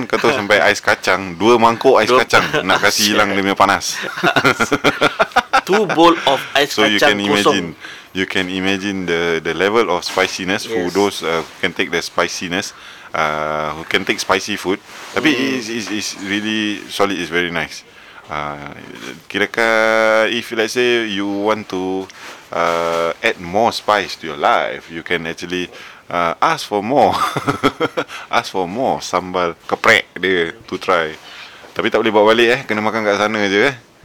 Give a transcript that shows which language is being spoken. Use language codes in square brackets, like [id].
[ms] Kau tahu sampai ais kacang, dua mangkuk ais kacang nak kasi hilang dia punya panas. [en] Two bowl of ais so [ms] kacang kosong. [en] So you can imagine the level of spiciness. Yes. For those who can take the spiciness, who can take spicy food. [ms] Tapi [en] it's really solid, it's very nice. [ms] Kira-kira [en] if let's say you want to add more spice to your life, you can actually ask for more. Ask for more sambal keprek [ms] dia [en] to try. [ms] Tapi tak boleh bawa balik eh, kena makan kat sana je eh.